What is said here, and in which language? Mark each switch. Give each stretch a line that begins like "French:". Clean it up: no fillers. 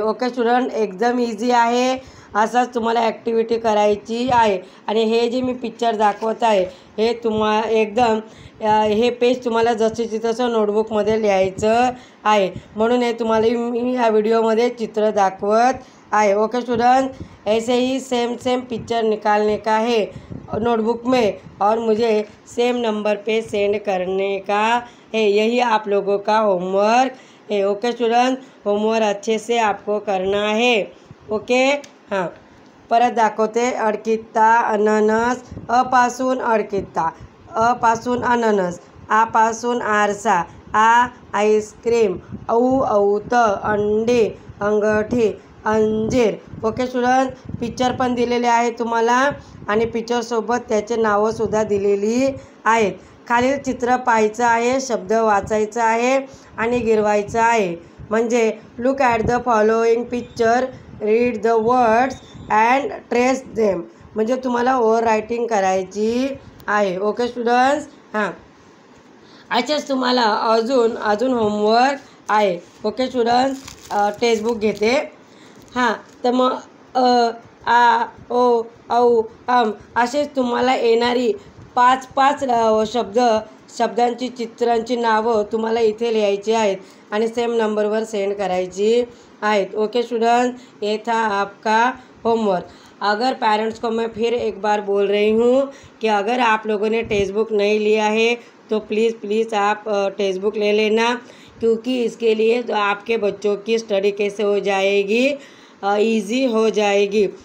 Marathi: Okay student, एकदम easy आहे। असंच तुम्हाला ॲक्टिव्हिटी करायची आहे। आणि हे जे मी पिक्चर दाखवत आहे हे तुम्हा एकदम हे पेज तुम्हाला जसेच तसं नोटबुकमध्ये लिहायचं आहे। म्हणून हे तुम्हाला मी ह्या व्हिडिओमध्ये चित्र दाखवत आहे।
Hindi: ओके स्टूडेंट, ऐसे ही सेम सेम पिक्चर निकालने का है नोटबुक में, और मुझे सेम नंबर पे सेंड करने का है। यही आप लोगों का होमवर्क है। ओके स्टूडेंट, होमवर्क अच्छे से आपको करना है।
Marathi: ओके, हाँ, परत दाखोते। अड़किता अननस, अपासून अड़किता, अपासून अननस, आपासून आरसा, आ आईस्क्रीम, औ औत अंडे, अंगठी अंजीर। ओके स्टूडेंट, पिक्चर पण दिलेले आहे तुम्हाला आणि पिक्चर सोबत त्याचे नाव सुद्धा दिलेली आहेत। खालील चित्र पाहायचं आहे, शब्द वाचायचं आहे आणि गिरवायचं आहे।
English: म्हणजे look at the following picture, read the words and trace them,
Marathi: म्हणजे तुम्हाला ओवर रायटिंग करायची आहे। ओके स्टूडेंट्स, हां, अच्छाच तुम्हाला अजून होमवर्क आहे। ओके स्टूडेंट्स, टेक्स्टबुक घेते, हां, तर मग आ ओ औ अम असेच तुम्हाला येणारी पाच पाच शब्दांची चित्रांची नावं तुम्हाला इथे लिहायची आहेत आणि सेम नंबरवर सेंड करायची आहेत।
Hindi: ओके स्टूडेंट, ये था आपका होमवर्क। अगर पेरेंट्स को मैं फिर एक बार बोल रही हूँ कि अगर आप लोगों ने टेक्स्टबुक नहीं लिया है तो प्लीज़ आप टेक्स्टबुक ले लेना, क्योंकि इसके लिए तो आपके बच्चों की स्टडी कैसे हो जाएगी, इजी हो जाएगी।